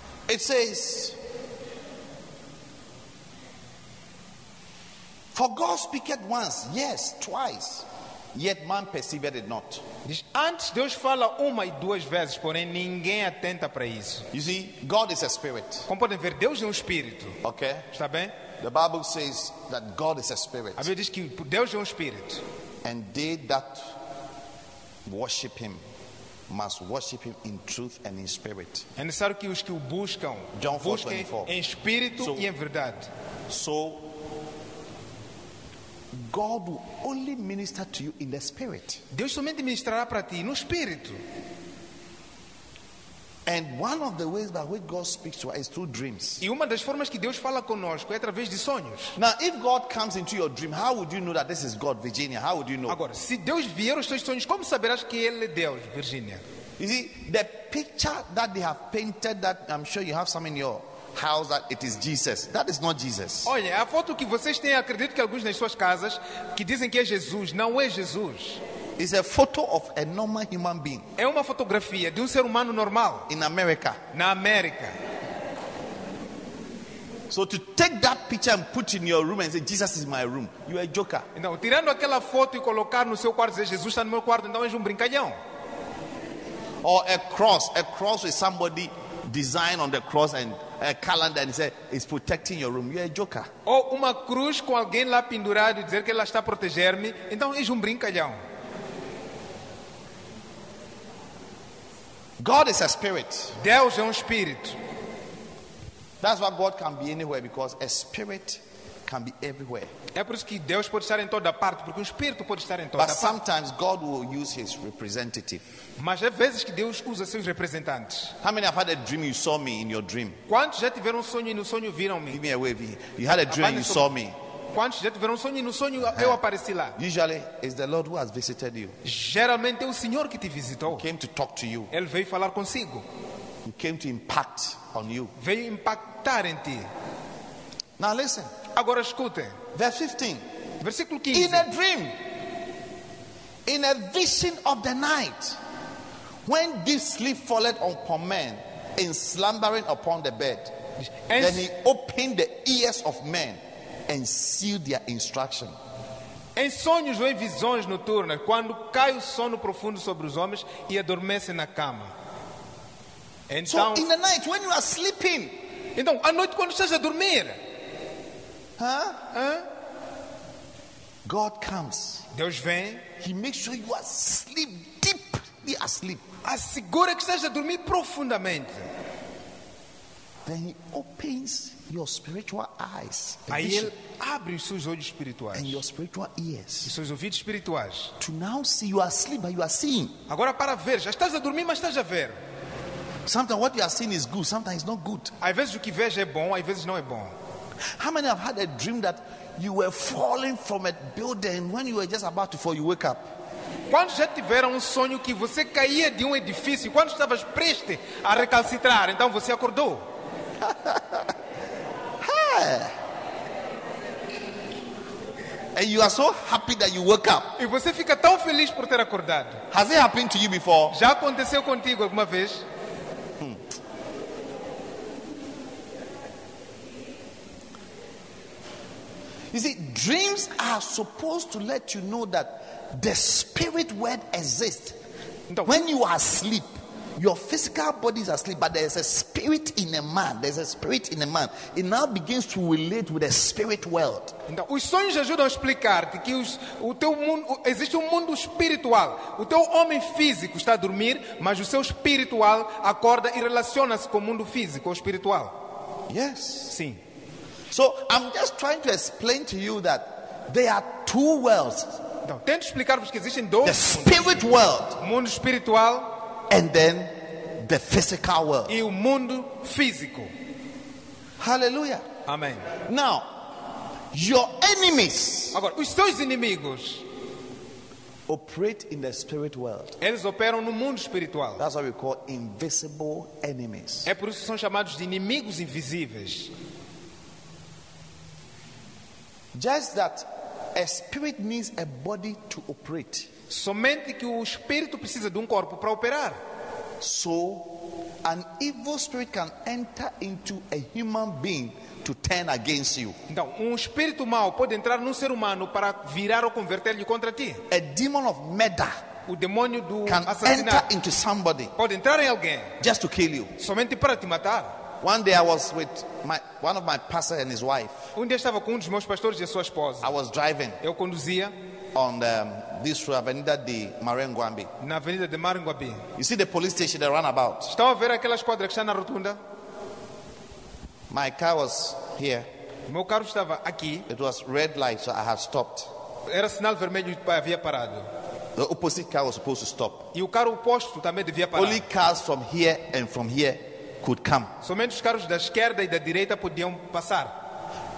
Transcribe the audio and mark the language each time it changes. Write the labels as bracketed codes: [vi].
[en] It says, for God speaketh once, yes, twice, yet man perceived it not. [pt] Diz, antes Deus fala uma e duas vezes, porém ninguém atenta para isso. [en] You see, God is a spirit. [pt] Como podem ver, Deus é um espírito. [en] Ok. [pt] Está bem? [en] The Bible says that God is a spirit. [pt] A Bíblia diz que Deus é um espírito. [en] And they that worship him must worship him in truth and in spirit. [pt] É necessário que os que o buscam, [en] John 4, [pt] busquem [en] 24. [pt] Em espírito e em verdade. [en] So, God will only minister to you in the spirit. [pt] Deus somente ministrará para ti no espírito. [en] And one of the ways by which God speaks to us is through dreams. [pt] E uma das formas que Deus fala conosco é através de sonhos. [en] Now, if God comes into your dream, how would you know that this is God, Virginia? How would you know? [pt] Agora, se Deus vier aos teus sonhos, como saberás que ele é Deus, Virginia? [en] You see, the picture that they have painted, that I'm sure you have some in your house, that it is Jesus. That is not Jesus. [pt] Olha, a foto que vocês têm, acredito que alguns nas suas casas, que dizem que é Jesus, não é Jesus. [en] It's a photo of a normal human being. [pt] É uma fotografia de ser humano normal. [en] In America. [pt] Na América. [en] So to take that picture and put in your room and say Jesus is my room, you are a joker. [pt] Então, tirando aquela foto e colocar no seu quarto e dizer Jesus está no meu quarto, então é um brincalhão. [en] Or a cross with somebody design on the cross and a calendar and say it's protecting your room, you are a joker. [pt] Ou uma cruz com alguém lá pendurado e dizer que ela está a proteger-me, então é um brincalhão. [en] God is a spirit. [pt] Deus é espírito. [en] That's why God can be anywhere, because a spirit can be everywhere. [pt] É por isso que Deus pode estar em toda parte, porque espírito pode estar em toda parte. [en] But sometimes God will use his representative. [pt] Mas há vezes que Deus usa seus representantes. [en] How many have had a dream you saw me in your dream? [pt] Quantos já tiveram sonho e no sonho viram-me? [en] Give me a wave. You had a dream and you saw me. [pt] Quantos já tiveram sonho e no sonho eu apareci lá? [en] Usually, it's the Lord who has visited you. [pt] Geralmente é o Senhor que te visitou. [en] He came to talk to you. [pt] Ele veio falar consigo. [en] He came to impact on you. [pt] Veio impactar em ti. [en] Now listen. [pt] Agora escute. [en] Verse 15. [pt] Versículo 15. [en] In a dream, in a vision of the night, when this sleep falleth upon men, in slumbering upon the bed, then he opened the ears of men and sealed their instruction. [pt] Em sonhos ou em visões noturnas, quando cai o sono profundo sobre os homens e adormecem na cama. Então, [en] so in the night when you are sleeping. [pt] Então, à noite quando estás a dormir. [en] God comes. [pt] Deus vem. [en] He makes sure you are asleep, deeply asleep. [pt] Assegura que estás a dormir profundamente. [en] Then he opens your spiritual eyes. [pt] Aí ele abre os seus olhos espirituais. [en] And your spiritual ears. [pt] E seus ouvidos espirituais. [en] To now see you are asleep, but you are seeing. [pt] Agora para ver, já estás a dormir, mas estás a ver. [en] Sometimes what you are seeing is good, sometimes not good. [pt] Às vezes o que vês é bom, às vezes não é bom. [en] How many have had a dream that you were falling from a building when you were just about to fall, you wake up? [pt] Quando já tiveram sonho que você caía de edifício, quando estavas prestes a recalcitrar, então você acordou? [en] And you are so happy that you woke up. [pt] E você fica tão feliz por ter acordado. [en] Has it happened to you before? [pt] Já aconteceu contigo alguma vez? [en] You see, dreams are supposed to let you know that the spirit world exists. [pt] Então, [en] when you are asleep, your physical body is asleep, but there is a spirit in a man. There is a spirit in a man. It now begins to relate with the spirit world. [pt] Então, os sonhos ajudam a explicar que o teu mundo, existe mundo espiritual. O teu homem físico está a dormir, mas o seu espiritual acorda e relaciona-se com o mundo físico, o espiritual. [en] Yes. [pt] Sim. [en] So I'm just trying to explain to you that there are two worlds. [pt] Então, tento explicar-vos que existem dois. [en] The spirit world. [pt] Mundo espiritual. [en] And then the physical world. [pt] E o mundo físico. [en] Hallelujah. Amen. Now, your enemies. [pt] Agora, os seus inimigos. [en] Operate in the spirit world. [pt] Eles operam no mundo espiritual. [en] That's what we call invisible enemies. [pt] É por isso que são chamados de inimigos invisíveis. [en] Just that a spirit needs a body to operate. [pt] Somente que o espírito precisa de corpo para operar. [en] So, an evil spirit can enter into a human being to turn against you. [pt] Então, espírito mau pode entrar num ser humano para virar ou converter-lhe contra ti. [en] A demon of murder. [pt] O demônio do [en] can [pt] assassinato. [en] Enter into somebody. [pt] Pode entrar em alguém. [en] Just to kill you. [pt] Somente para te matar. [en] One day I was with one of my pastor and his wife. [pt] Um dia estava com um dos meus pastores e sua esposa. [en] I was driving. [pt] Eu conduzia. [en] On this Avenida de Marenguambi. [pt] Na Avenida de Marenguambi. [en] You see the police station they run about. [pt] Estão a ver aquela esquadra que está na rotunda? [en] My car was here. [pt] O meu carro estava aqui. [en] It was red light, so I had stopped. [pt] Era sinal vermelho e havia parado. [en] The opposite car was supposed to stop. [pt] E o carro oposto também devia parar. [en] Only cars from here and from here could come. [pt] Somente os carros da esquerda e da direita podiam passar.